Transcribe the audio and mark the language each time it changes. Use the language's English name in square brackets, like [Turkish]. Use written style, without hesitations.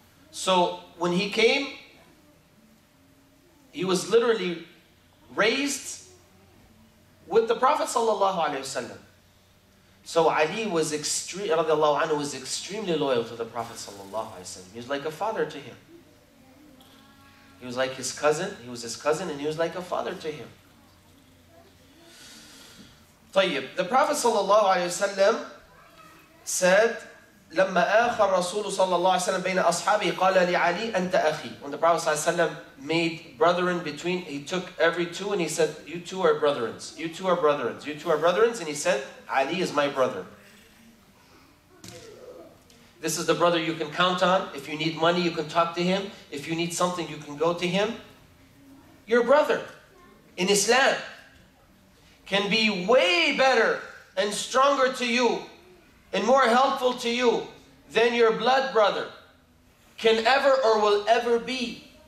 [English] So when he came, he was literally raised with the Prophet sallallahu alayhi wa sallam. So Ali was extremely loyal to the Prophet sallallahu alayhi wa sallam. He was like a father to him. He was like his cousin. He was his cousin and he was like a father to him. [Arabic] طيب. [English] The Prophet sallallahu alayhi wa sallam said, [Arabic] لما آخر الرسول صلى الله عليه وسلم بين أصحابه قال لعلي أنت أخي. [English] When the Prophet صلى الله عليه وسلم made brethren between, he took every two and he said, you two are brethren. You two are brethren. You two are brethren. And he said, Ali is my brother. This is the brother you can count on. If you need money, you can talk to him. If you need something, you can go to him. Your brother in Islam can be way better and stronger to you and more helpful to you than your blood brother can ever or will ever be.